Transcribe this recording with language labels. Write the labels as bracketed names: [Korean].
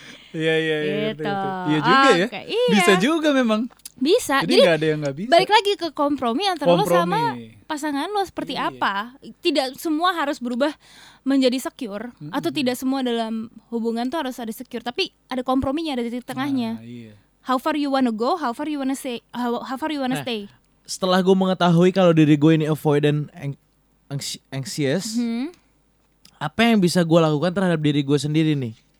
[Indonesian] Iya. Iya juga ya. Bisa juga memang. Bisa. Jadi gak ada yang gak bisa. Balik lagi ke kompromi antara lo sama pasangan lo seperti apa. Tidak semua harus berubah menjadi secure. Mm-hmm. Atau tidak semua dalam hubungan tuh harus ada secure. Tapi ada komprominya, ada titik tengahnya. [English] How far you wanna go, how far you wanna stay. How far you wanna stay. [Indonesian] Setelah gue mengetahui kalau diri gue ini avoidant anxious, apa yang bisa gue lakukan terhadap diri gue sendiri nih?